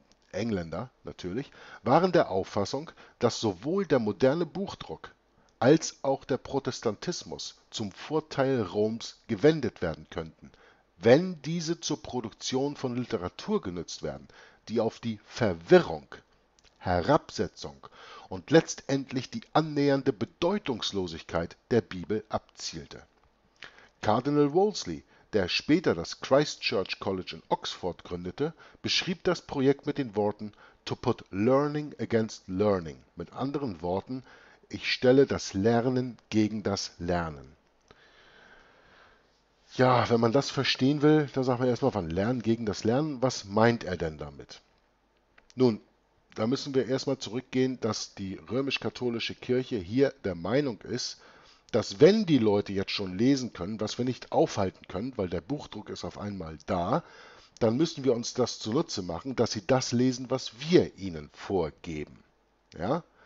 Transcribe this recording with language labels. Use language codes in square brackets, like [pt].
[de] Engländer natürlich, waren der Auffassung, dass sowohl der moderne Buchdruck als auch der Protestantismus zum Vorteil Roms gewendet werden könnten, wenn diese zur Produktion von Literatur genutzt werden, die auf die Verwirrung, Herabsetzung und letztendlich die annähernde Bedeutungslosigkeit der Bibel abzielte. Cardinal Wolsey, der später das Christ Church College in Oxford gründete, beschrieb das Projekt mit den Worten: [en] To put learning against learning. [de] Mit anderen Worten, ich stelle das Lernen gegen das Lernen. Ja, wenn man das verstehen will, dann sagt man erstmal von Lernen gegen das Lernen. Was meint er denn damit? Nun, da müssen wir erstmal zurückgehen, dass die römisch-katholische Kirche hier der Meinung ist, dass wenn die Leute jetzt schon lesen können, was wir nicht aufhalten können, weil der Buchdruck ist auf einmal da, dann müssen wir uns das zunutze machen, dass sie das lesen, was wir ihnen vorgeben. Ja?